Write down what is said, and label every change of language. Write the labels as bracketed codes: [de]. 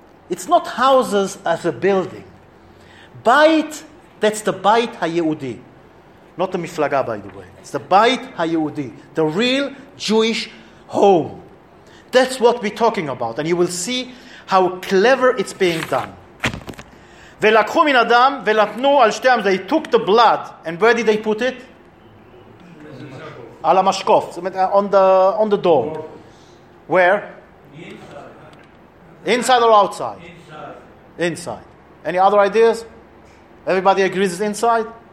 [en] It's not houses as a building. Bait, that's the Bait HaYehudi. Not the Miflaga, by the way. It's the Bait HaYehudi. The real Jewish home. That's what we're talking about. And you will see how clever it's being done. [he] ולקחו מן אדם ולתנו על שתי המזוזות. [en] They took the blood. And where did they put it? [he] על המשקוף, [en] on the door. Where? Inside or outside? Inside. Any other ideas? Everybody agrees it's inside?